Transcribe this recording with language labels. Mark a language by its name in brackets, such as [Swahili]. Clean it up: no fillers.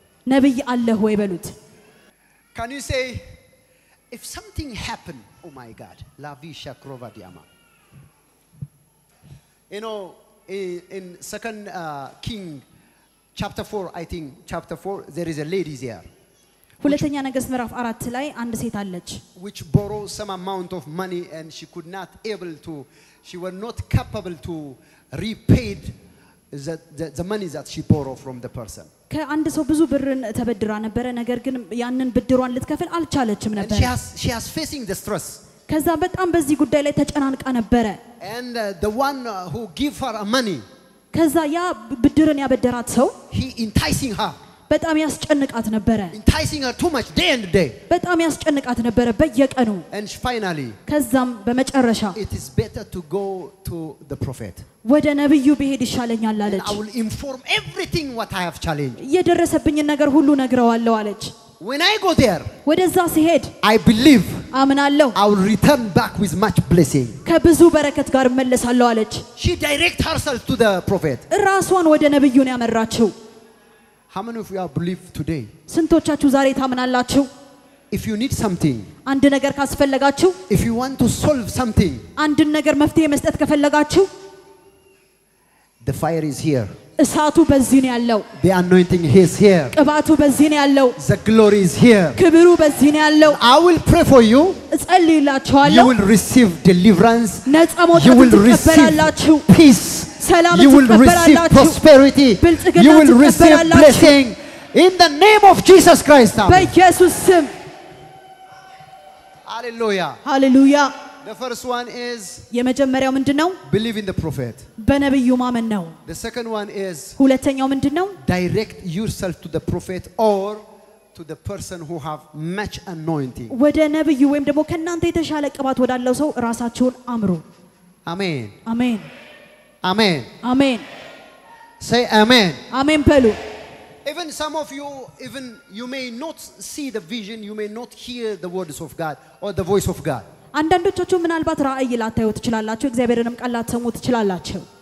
[Amharic] ነብይ አለ ሆይ በሉት [English] can you say if something happen oh my god la visha krovadiama you know in second king chapter 4 i think chapter 4 there is a lady there [Amharic] ሁለተኛ ነገስት ምዕራፍ 4 ላይ አንድ ሴት አለች [English] which borrow some amount of money and she could not able to she were not capable to repay the money that she borrow from the person [Amharic] ከአንድ ሰው ብዙ ብርን ተበድራ ነበር ነገር ግን ያንን ብድሯን ልትከፍል አልቻለችም ነበር [English] she has facing the stress [Amharic] ከዛ በጣም በዚህ ጉዳይ ላይ ተጨናንቃ ነበር [English] and the one who give her money [Amharic] ከዛ ያ ብድሩን ያበደራት ሰው [English] he enticing her [Amharic] በጣም ያስጨንቃት ነበር [English] enticing her too much day and day [Amharic] በጣም ያስጨንቃት ነበር በየቀኑ [English] and finally [Amharic] ከዛም በመጨረሻ [English] it is better to go to the prophet [Amharic] ወደ ነብዩ ቢሄድ ይሻለኛል አለች [English] and I will inform everything what I have challenged [Amharic] የደረሰብኝ ነገር ሁሉ ነግረዋለሁ አለች [English] when I go there [Amharic] ወደዛ ሲሄድ [English] I believe [Amharic] አመናለሁ [English] I will return back with much blessing [Amharic] ከብዙ በረከት ጋር መለሳለሁ አለች [English] she direct herself to the prophet [Amharic] ራስዋን ወደ ነብዩ ነው ያመራችው [English] How many of you are believe today? [Amharic] ስንቶቻችሁ ዛሬ ታምናላችሁ? [English] If you need something, [Amharic] አንድ ነገር ካስፈልጋችሁ? [English] If you want to solve something, [Amharic] አንድ ነገር መፍትሄ መስጠት ከፈለጋችሁ? [English] The fire is here. [Amharic] እሳቱ በዚህ ነው ያለው። [English] The anointing is here. [Amharic] ቅባቱ በዚህ ነው ያለው። [English] The glory is here. [Amharic] ክብሩ በዚህ ነው ያለው። [English] I will pray for you. [Amharic] እጸልይላችኋለሁ። [English] You will receive deliverance. ነጻ መውጣት ትቀበላላችሁ። Peace. You will receive prosperity. You will receive blessing in the name of Jesus Christ. Thank you, Jesus. Hallelujah. Hallelujah. The first one is [Amharic] የመጀመሪያው ምንድነው? [English] Believe in the prophet. [Amharic] በነብዩ ማመን ነው። [English] The second one is [Amharic] ሁለተኛው ምንድነው? [English] Direct yourself to the prophet or to the person who have much anointing. [Amharic] ወደ ነብዩ ወይም ደግሞ ከናንተ የተሻለ ቅባት ወዳለው ሰው ራሳችሁን አምሩ። Amen. Amen. Amen. Amen. [English] Say amen. [Amharic] Amen pelu. [English] Even some of you even you may not see the vision, you may not hear the words of God or the voice of God. [Amharic] አንዳንዶቹ ምናልባት ራእይ ላታዩ ትችላላችሁ እግዚአብሔርንም ቃላት ሰሙ ትችላላችሁ.